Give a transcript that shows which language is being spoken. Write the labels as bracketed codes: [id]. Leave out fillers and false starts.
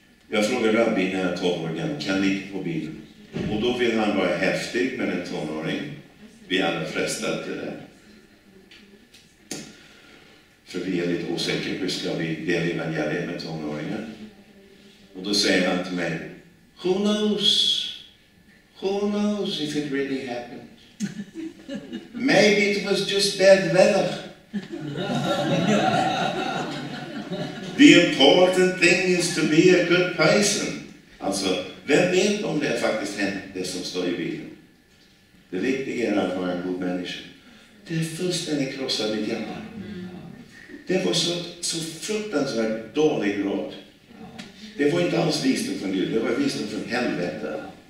[sv] Jag frågar rabbi när jag är 12 år gammal. Kan lita på Bibeln? Och då vill han vara häftig med en tonåring. Vi är alla frestade till det. För vi är lite osäkra. Hur ska vi dela evangeliet med tonåringen? Och då säger han till mig, [en] who knows? Who knows if it really happened? Maybe it was just bad weather. The important thing is to be a good person. [sv] Alltså, vem vet om det faktiskt hänt det som står i Bibeln? Det viktiga är att vara en god människa. Det är fullständigt krossat mitt hjärta. Det var så fruktansvärt dålig råd. Det var inte alls visdom från Gud, det var visdom från helvete.